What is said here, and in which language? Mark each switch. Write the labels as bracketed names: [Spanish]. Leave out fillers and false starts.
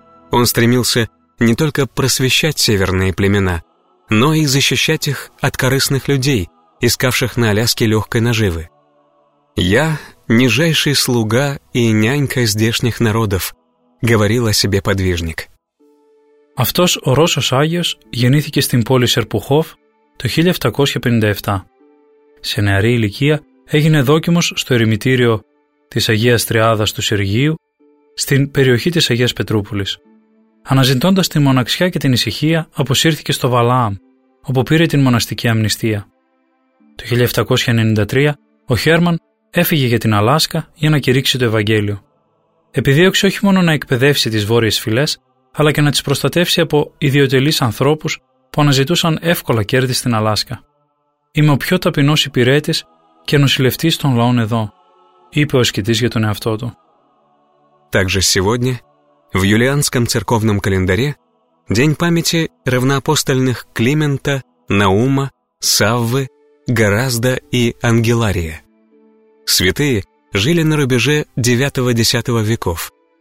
[Russian] Он стремился не только просвещать северные племена, но и защищать их от корыстных людей, искавших на Аляске легкой наживы. «Я — нижайший слуга и нянька здешних народов», — говорил о себе подвижник. [Greek] Αυτός ο Ρώσος Άγιος γεννήθηκε στην πόλη Σερπουχόφ το 1757. Σε νεαρή ηλικία έγινε δόκιμος στο ερημητήριο της Αγίας Τριάδας του Σεργίου στην περιοχή της Αγίας Πετρούπολης. Αναζητώντας τη μοναξιά και την ησυχία, αποσύρθηκε στο Βαλάαμ, όπου πήρε την μοναστική αμνηστία. Το 1793 ο Χέρμαν έφυγε για την Αλάσκα για να κηρύξει το Ευαγγέλιο. Επιδίωξε όχι μόνο να εκπαιδεύσει τις βόρειες φυλές, αλλά και να τις προστατεύσει από ιδιωτελείς ανθρώπους που αναζητούσαν εύκολα κέρδη στην Αλάσκα. «Είμαι ο πιο ταπεινός υπηρέτης και νοσηλευτής των λαών εδώ», είπε ο ασκητής για τον εαυτό του. [Russian] Также сегодня, в юлианском церковном календаре, день памяти равноапостольных Климента, Наума, Саввы, Горазда и Ангелария. Святые жили на рубеже 9-10 веков.